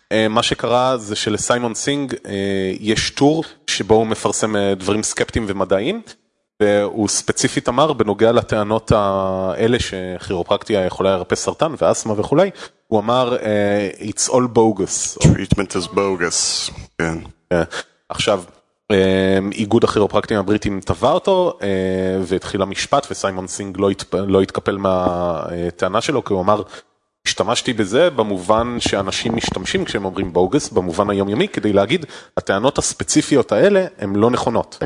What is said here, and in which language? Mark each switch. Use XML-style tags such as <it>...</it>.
<he>מה שקרה זה שלסיימון סינג יש טור שבו הוא מפרסם דברים סקפטיים ומדעיים, והוא ספציפית אמר בנוגע לטענות האלה שכירופרקטיה יכולה להרפא סרטן ואסמה וכולי, הוא אמר,</he> <en>it's all bogus. Treatment is bogus, כן.</en> <he>עכשיו, איגוד הכירופרקטים הבריטים תבע אותו, והתחיל המשפט, וסיימון סינג לא התקפל מהטענה שלו, כי הוא אמר, השתמשתי בזה במובן שאנשים משתמשים כשהם אומרים בוגס, במובן היומיומי, כדי להגיד, הטענות הספציפיות האלה הן לא נכונות.</he>